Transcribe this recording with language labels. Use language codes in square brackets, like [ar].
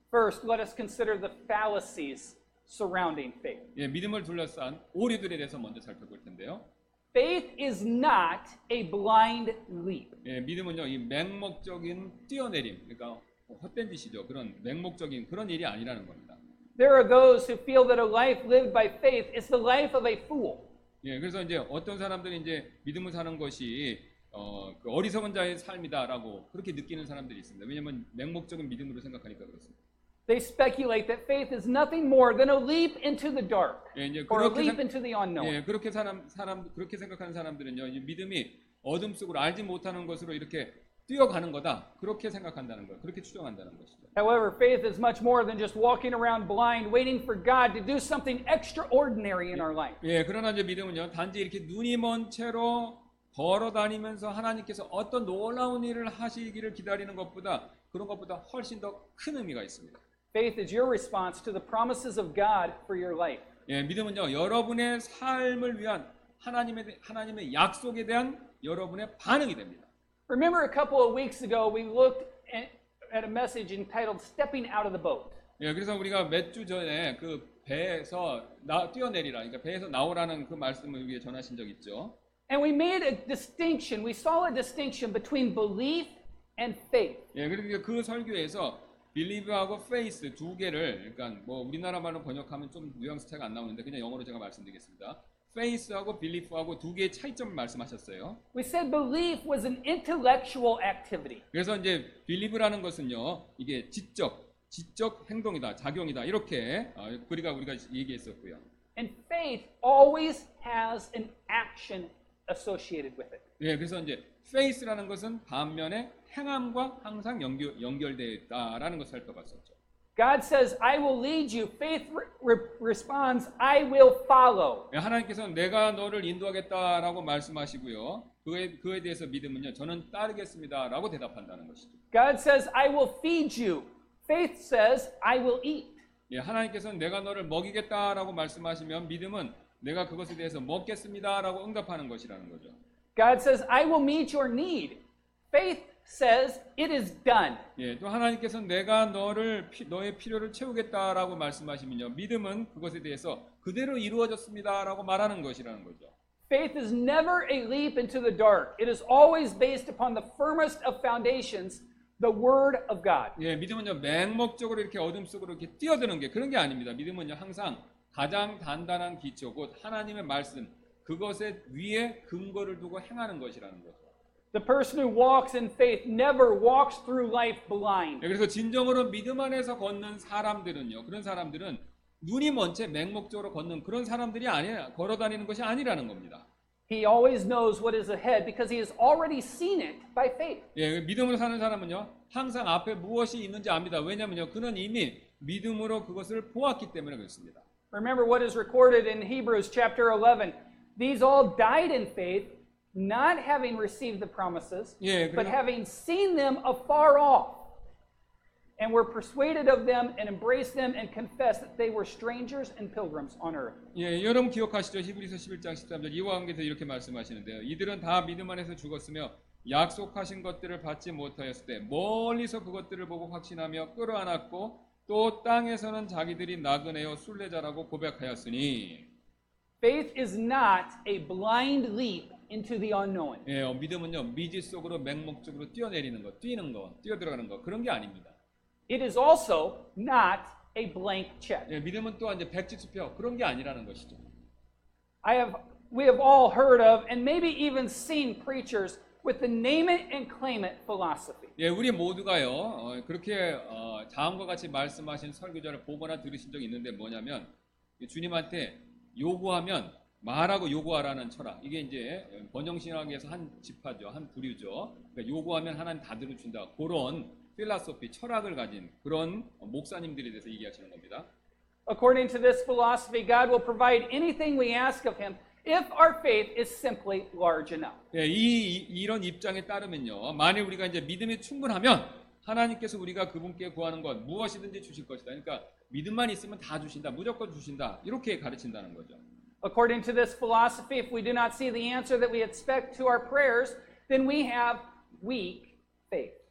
[en] First, let us consider the fallacies surrounding faith. [ko] 예, 믿음을 둘러싼 오류들에 대해서 먼저 살펴볼 텐데요. [en] Faith is not a blind leap. [ko] 예, 믿음은요, 이 맹목적인 뛰어내림, 그러니까 헛된 짓이죠. 그런 맹목적인 그런 일이 아니라는 겁니다. [en] There are those who feel that a life lived by faith is the life of a fool. [ko] 예, 그래서 이제 어떤 사람들이 이제 믿음을 사는 것이 그 어리석은 자의 삶이다라고 그렇게 느끼는 사람들이 있습니다. 왜냐하면 맹목적인 믿음으로 생각하니까 그렇습니다. [en] They speculate that faith is nothing more than a leap into the dark, 예, or a leap into the unknown. [ko] 예, 그렇게 그렇게 생각하는 사람들은요, 이제 믿음이 어둠 속으로 알지 못하는 것으로 이렇게 뛰어가는 거다. 그렇게 생각한다는 거, 그렇게 추정한다는 것이죠. [en] However, faith is much more than just walking around blind, waiting for God to do something extraordinary in our life. [ko] 예, 그러나 이제 믿음은요, 단지 이렇게 눈이 먼 채로 걸어다니면서 하나님께서 어떤 놀라운 일을 하시기를 기다리는 것보다 그런 것보다 훨씬 더 큰 의미가 있습니다. [en] Faith is your response to the promises of God for your life. [ko] 예, 믿음은요 여러분의 삶을 위한 하나님의 약속에 대한 여러분의 반응이 됩니다. [en] Remember a couple of weeks ago we looked at a message entitled "Stepping Out of the Boat." [ko] 예, 그래서 우리가 몇 주 전에 그 배에서 뛰어내리라, 그러니까 배에서 나오라는 그 말씀을 위해 전하신 적 있죠. [en] And we made a distinction. We saw a distinction between belief and faith. [ko] 예, 그리고 그 설교에서 believe하고 faith 두 개를, 그러니까 뭐 우리나라 말로 번역하면 좀 뉘앙스 차이가 안 나오는데 그냥 영어로 제가 말씀드리겠습니다. faith하고 belief하고 두 개의 차이점을 말씀하셨어요. [en] We said belief was an intellectual activity. [ko] 그래서 이제 believe라는 것은요, 이게 지적 행동이다, 작용이다 이렇게 우리가 얘기했었고요. [en] And faith always has an action associated with it. [ko] 예, 그래서 이제 faith라는 것은 반면에 행함과 항상 연결되어 있다라는 것을 살펴봤었죠. [en] God says, I will lead you. Faith responds, I will follow. [ko] 예, 하나님께서는 내가 너를 인도하겠다라고 말씀하시고요. 그에 대해서 믿음은요, 저는 따르겠습니다라고 대답한다는 것이죠. [en] God says, I will feed you. Faith says, I will eat. [ko] 예, 하나님께서는 내가 너를 먹이겠다라고 말씀하시면 믿음은 내가 그것에 대해서 먹겠습니다라고 응답하는 것이라는 거죠. [en] God says, I will meet your need. Faith says, it is done. [ko] 예, 또 하나님께서는 내가 너의 필요를 채우겠다라고 말씀하시면요, 믿음은 그것에 대해서 그대로 이루어졌습니다라고 말하는 것이라는 거죠. [en] Faith is never a leap into the dark. It is always based upon the firmest of foundations, the Word of God. [ko] 예, 믿음은요, 맹목적으로 이렇게 어둠 속으로 이렇게 뛰어드는 게 그런 게 아닙니다. 믿음은요, 항상 가장 단단한 기초, 곧 하나님의 말씀, 그것에 위에 근거를 두고 행하는 것이라는 거죠. [en] The person who walks in faith never walks through life blind. [ko] 예, 그래서 진정으로 믿음 안에서 걷는 사람들은요, 그런 사람들은 눈이 먼 채 맹목적으로 걷는 그런 사람들이 아니라 걸어다니는 것이 아니라는 겁니다. [en] He always knows what is ahead because he has already seen it by faith. [ko] 예, 믿음으로 사는 사람은요, 항상 앞에 무엇이 있는지 압니다. 왜냐면요, 그는 이미 믿음으로 그것을 보았기 때문에 그렇습니다. [en] Remember what is recorded in Hebrews chapter 11. These all died in faith, not having received the promises, 예, [ko] 그래서, [en] but having seen them afar off, and were persuaded of them and embraced them and confessed that they were strangers and pilgrims on earth. [ko] 예, 여러분 기억하시죠? 히브리서 11장 13절 이와 함께서 이렇게 말씀하시는데요. 이들은 다 믿음 안에서 죽었으며 약속하신 것들을 받지 못하였을 때 멀리서 그것들을 보고 확신하며 끌어안았고 또 땅에서는 자기들이 나그네요 순례자라고 고백하였으니. [en] Faith is not a blind leap into the unknown. [ko] 예, 믿음은요 미지 속으로 맹목적으로 뛰어내리는 것, 뛰는 것, 뛰어들어가는 것 그런 게 아닙니다. [en] It is also not a blank check. [ko] 예, 믿음은 또한 이제 백지 투표 그런 게 아니라는 것이죠. [en] We have all heard of and maybe even seen preachers with the name it and claim it philosophy. [ko] 예, 우리 모두가요 그렇게 다음과 같이 말씀하신 설교자를 보거나 들으신 적이 있는데 뭐냐면 주님한테 요구하면 말하고 요구하라는 철학 이게 이제 번영신학에서 한 지파죠 한 부류죠 그러니까 요구하면 하나님 다 들어준다 그런 필라소피 철학을 가진 그런 목사님들에 대해서 얘기하시는 겁니다 [en] According to this philosophy God will provide anything we ask of him If our faith is simply large enough. [ko] 예, 이런 입장에 따르면요. 만일 우리가 이제 믿음이 충분하면 하나님께서 우리가 그분께 구하는 것 무엇이든지 주실 것이다. 그러니까 믿음만 있으면 다 주신다. 무조건 주신다. 이렇게 가르친다는 거죠. [en] According to this philosophy, if we do not see the answer that we expect to our prayers, then we have weak faith.